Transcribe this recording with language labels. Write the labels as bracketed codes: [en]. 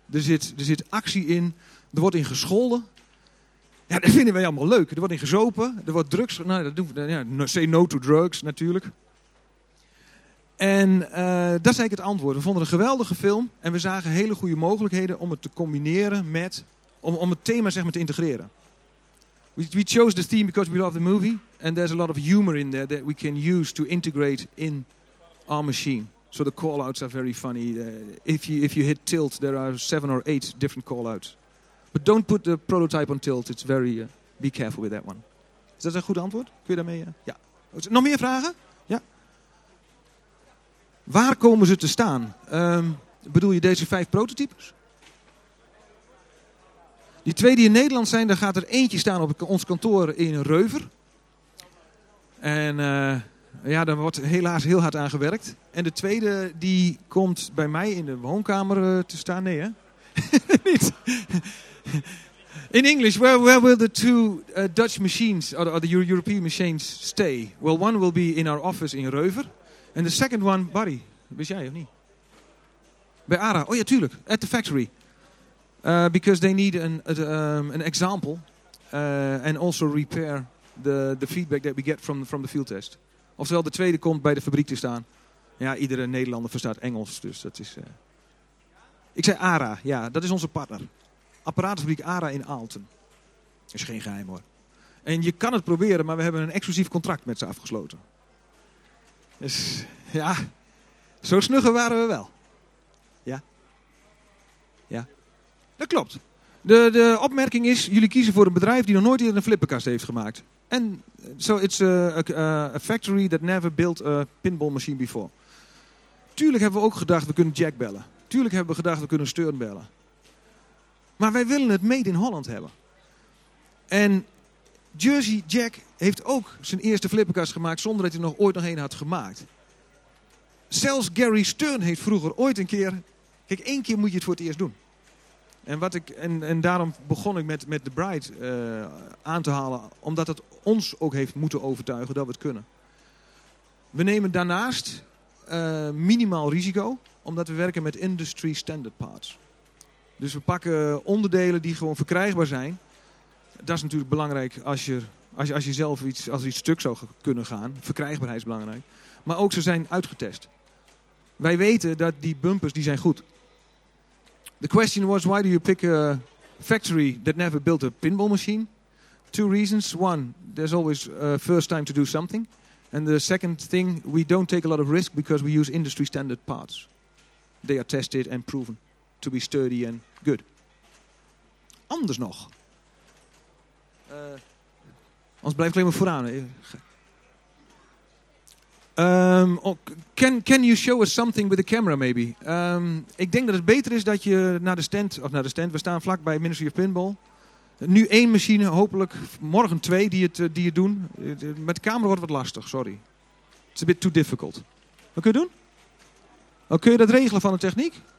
[nl] Er zit actie in. Er wordt in gescholden. Ja, dat vinden wij allemaal leuk. Er wordt in gezopen. Er wordt drugs. Nou, dat doen we, ja, [en] say no to drugs [nl] natuurlijk. En dat is eigenlijk het antwoord. We vonden een geweldige film. En we zagen hele goede mogelijkheden om het te combineren met... Om het thema zeg maar te integreren. [en] We chose the theme because we love the movie. And there's a lot of humor in there that we can use to integrate in our machine. So the call-outs are very funny. If you hit tilt, there are 7 or 8 different call-outs. But don't put the prototype on tilt. It's very... be careful with that one. [nl] Is dat een goed antwoord? Kun je daarmee... Ja. Nog meer vragen? Ja. Waar komen ze te staan? Bedoel je deze 5 prototypes? Die 2 die in Nederland zijn, daar gaat er eentje staan op ons kantoor in Reuver. En daar wordt helaas heel hard aan gewerkt. En de 2e die komt bij mij in de woonkamer te staan. Nee, hè? Niet. [en] In English, where will the 2 Dutch machines, or the European machines, stay? Well, one will be in our office in Reuver. And the second one, Barry, [nl] wist jij of niet? Bij ARA, oh ja, tuurlijk, [en] at the factory. Because they need an example and also repair the feedback that we get from the field test. [nl] Oftewel, de 2e komt bij de fabriek te staan. Ja, iedere Nederlander verstaat Engels, dus dat is... Ik zei ARA, ja, dat is onze partner. Apparatenfabriek ARA in Aalten. Is geen geheim hoor. En je kan het proberen, maar we hebben een exclusief contract met ze afgesloten. Dus ja, zo snugger waren we wel. Ja. Ja. Dat klopt. De opmerking is, jullie kiezen voor een bedrijf die nog nooit eerder een flippenkast heeft gemaakt. [en] En so it's a factory that never built a pinball machine before. [nl] Tuurlijk hebben we ook gedacht, we kunnen Jack bellen. Tuurlijk hebben we gedacht, we kunnen Stern bellen. Maar wij willen het [en] made in Holland [nl] hebben. En Jersey Jack heeft ook zijn eerste flippenkast gemaakt zonder dat hij nog ooit nog een had gemaakt. Zelfs Gary Stern heeft vroeger ooit een keer... Kijk, 1 keer moet je het voor het eerst doen. En, daarom begon ik met The Bride aan te halen. Omdat het ons ook heeft moeten overtuigen dat we het kunnen. We nemen daarnaast minimaal risico. Omdat we werken met [en] industry standard parts. [nl] Dus we pakken onderdelen die gewoon verkrijgbaar zijn. Dat is natuurlijk belangrijk als je zelf iets, als iets stuk zou kunnen gaan. Verkrijgbaarheid is belangrijk. Maar ook ze zijn uitgetest. Wij weten dat die bumpers die zijn goed. [en] The question was, why do you pick a factory that never built a pinball machine? 2 reasons. 1, there's always a first time to do something. And the second thing, we don't take a lot of risk because we use industry standard parts. They are tested and proven to be sturdy and good. [nl] Anders nog. Anders blijf ik alleen maar vooraan. [en] Can you show us something with the camera, maybe? [nl] Ik denk dat het beter is dat je naar de stand, of naar de stand, we staan vlak bij Ministry of Pinball. Nu één machine, hopelijk morgen twee die het doen. Met de camera wordt het wat lastig, sorry. [en] It's a bit too difficult. [nl] Wat kun je doen? Oh, kun je dat regelen van de techniek?